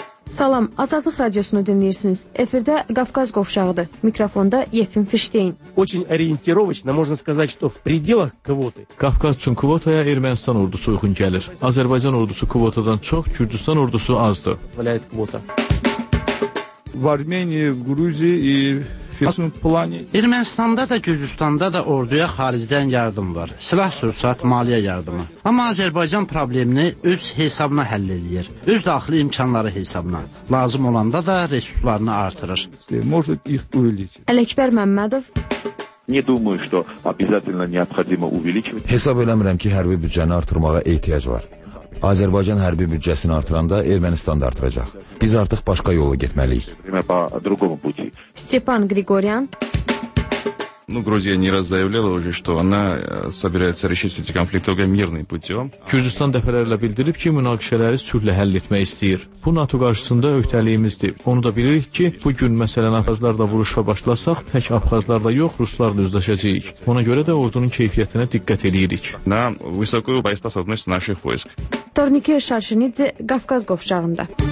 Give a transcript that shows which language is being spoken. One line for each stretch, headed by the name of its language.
Azerbaijani: Salam, Azadlıq Radiosunu dinləyirsiniz. Efirdə Qafqaz qovşağıdır. Mikrofonda Yefim Fiştein.
Russian: Очень ориентировочно можно сказать, что в пределах квоты.
Azerbaijani: Qafqaz üçün kvotaya Ermənistan ordusu uyğun gəlir. Azərbaycan ordusu kvotadan çox, Gürcüstan ordusu azdır. Valayət kvota.
Russian: В Армении, в Грузии и
Azerbaijani: Ermənistanda da, Gürcüstanda da orduya xaricdən yardım var. Silah sursat, maliyyə yardımı. Amma Azərbaycan problemini öz hesabına həll edir. Öz daxili imkanları hesabına. Lazım olanda da resurslarını artırır. Ələkbər Məmmədov Hesab eləmirəm ki, hərbi büdcəni artırmağa ehtiyac var. Azərbaycan hərbi büdcəsini artıranda Ermənistan da artıracaq. Biz artıq başqa yola getməliyik. Stepan Grigoryan.
Russian: Грузия не раз заявляла уже, что она собирается решить эти конфликты только мирным путём.
Azerbaijani: Gürcüstan dəfələrlə bildirib ki, münaqişələri sülhlə həll etmək istəyir. Bu NATO qarşısında öhdəliyimizdir. Onu da bilirik ki, bu gün məsələn Abxazlarla vuruşa başlasaq, tək Abxazlarla yox, Ruslarla üzləşəcəyik. Ona görə də ordunun keyfiyyətinə diqqət eləyirik.
Russian: На высокую боеспособность наших войск.
Azerbaijani: Торнике Шаршинидзе, Qafqaz qovşağında.